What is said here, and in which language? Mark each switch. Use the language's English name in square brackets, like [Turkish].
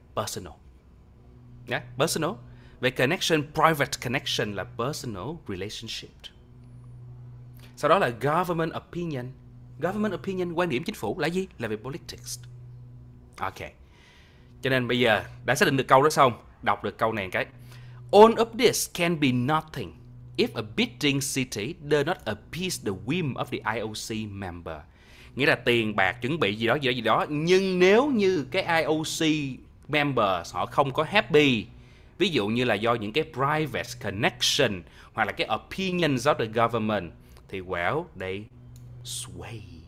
[English] Personal. Yeah, personal. Về connection, private connection là personal relationship. [Vietnamese] Sau đó là government opinion. Government opinion, quan điểm chính phủ là gì? Là về politics. Ok. Cho nên bây giờ đã xác định được câu đó xong, đọc được câu này cái. [English] All of this can be nothing if a bidding city does not appease the whim of the IOC member. [Vietnamese] Nghĩa là tiền, bạc, chuẩn bị gì đó, gì đó, gì đó. Nhưng nếu như cái IOC member họ không có happy, ví dụ như là do những cái private connection hoặc là cái opinions of the government, thì well, they sway.